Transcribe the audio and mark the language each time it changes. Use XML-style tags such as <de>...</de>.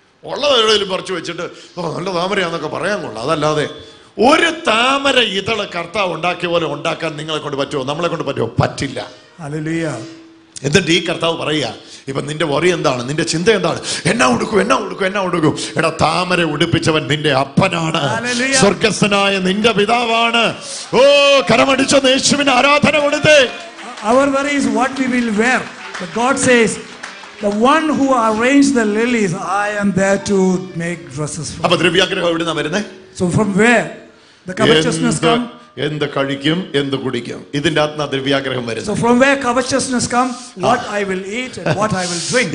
<ml>ഉള്ളത് എവിടെയും പറിച്ചു വെച്ചിട്ട് നല്ല താമരയാന്നൊക്കെ പറയാൻ കൊള്ളാം. അതല്ലാതെ ഒരു താമര ഇതള് കർത്താവ് ഉണ്ടാക്കിയ പോലെ ഉണ്ടാക്കാൻ നിങ്ങളെ കൊണ്ട് പറ്റുമോ, നമ്മളെ കൊണ്ട് പറ്റുമോ? പറ്റില്ല.</ml> <en>Hallelujah.</en> <ml>എന്നിട്ട് ഈ കർത്താവ് പറയുക, ഇപ്പൊ നിന്റെ വറി എന്താണ്, നിന്റെ ചിന്ത എന്താണ്, എന്നാ ഉടുക്കും, എന്നാ ഉടുക്കും, എന്നാ ഉടുക്കും? എടാ, താമര ഉടുപ്പിച്ചവൻ നിന്റെ അപ്പനാണ്, സ്വർഗസ്ഥനായ നിന്റെ പിതാവാണ്. ഓ, കരമടിച്ച യേശുവിന് ആരാധന കൊടുത്തേ.</ml> <en>Our worry is what we will wear, but God says the one who arranged the lilies, I am there to make dresses for.</en> <ml>അപ്പോൾ ദ്രവ്യാഗ്രഹം എവിടെ നിന്ന് വരുന്നേ?</ml> <en>So from where the covetousness come?</en> <ml>എന്ത് കഴിക്കും, എന്ത് കുടിക്കും, ഇതിന്റെ അത്ന ദ്രവ്യാഗ്രഹം വരുന്നു.</ml> <en>So from where covetousness come? What I will eat and what I will drink.</en>